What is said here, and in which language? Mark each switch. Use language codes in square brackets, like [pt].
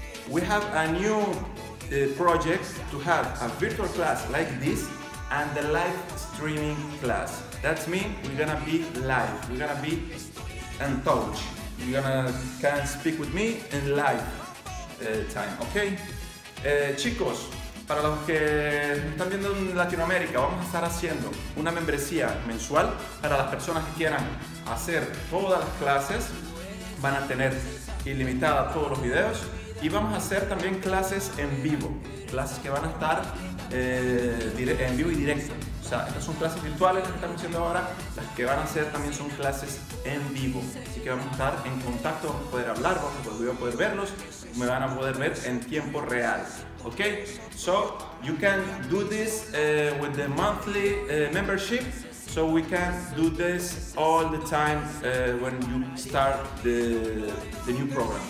[en] We have a new project to have a virtual class like this and the live streaming class. That means we're gonna be live, we're gonna be in touch. You can speak with me in live time, okay? [es] Chicos, para los que están viendo en Latinoamérica, vamos a estar haciendo una membresía mensual para las personas que quieran hacer todas las clases. Van a tener ilimitada todos los videos y vamos a hacer también clases en vivo, clases que van a estar en vivo y directo. O sea, estas son clases virtuales que estamos haciendo ahora, las que van a hacer también son clases en vivo. Así que vamos a estar en contacto, vamos a poder hablar, vamos a poder verlos, me van a poder ver en tiempo real. [en] Ok, so you can do this with the monthly membership, so we can do this all the time when you start the new program.